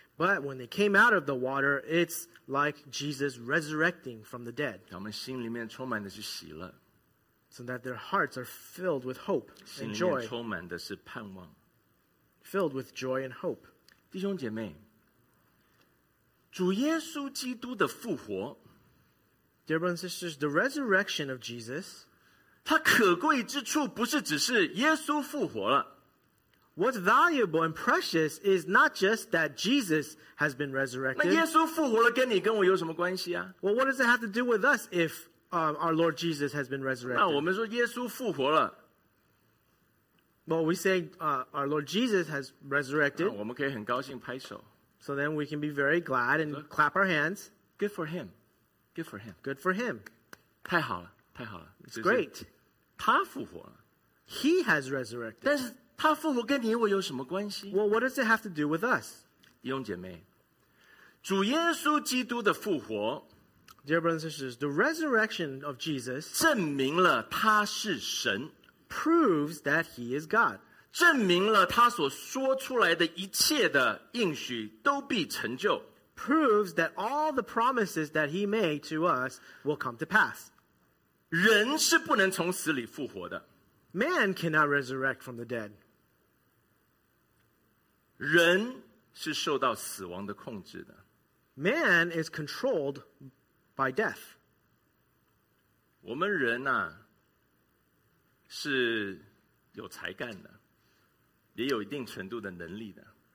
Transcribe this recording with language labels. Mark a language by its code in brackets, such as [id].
[en] But when they came out of the water, it's like Jesus resurrecting from the dead. [zh] 他们心里面充满的是喜乐 [en] So that their hearts are filled with hope and joy. [zh] 心里面充满的是盼望。 [en] Filled with joy and hope. [zh] 弟兄姐妹，主耶稣基督的复活。 [en] Dear brothers and sisters, the resurrection of Jesus. [zh] 它可贵之处不是只是耶稣复活了。 [en] What's valuable and precious is not just that Jesus has been resurrected. [zh] 那耶稣复活了跟你跟我有什么关系啊？ [en] Well, what does it have to do with us if... our Lord Jesus has been resurrected. [zh] 那我们说耶稣复活了。 [en] Well, we say our Lord Jesus has resurrected. [zh] 我们可以很高兴拍手。 [en] So then we can be very glad and clap our hands. Good for him. Good for him. Good for him. [zh] 太好了，太好了。 [en] It's great. [zh] 他复活了。 [en] He has resurrected. [zh] 但是他复活跟你我有什么关系？ [en] Well, what does it have to do with us? [zh] 弟兄姐妹，主耶稣基督的复活 [en] Dear brothers and sisters, the resurrection of Jesus [zh] 证明了他是神 [en] proves that he is God. [zh] 证明了他所说出来的一切的应许都必成就 [en] proves that all the promises that he made to us will come to pass. [zh] 人是不能从死里复活的。 [en] Man cannot resurrect from the dead. [zh] 人是受到死亡的控制的。 [en] Man is controlled by death. [zh] 我们人呢、啊、是有才干的，也有一定程度的能力的。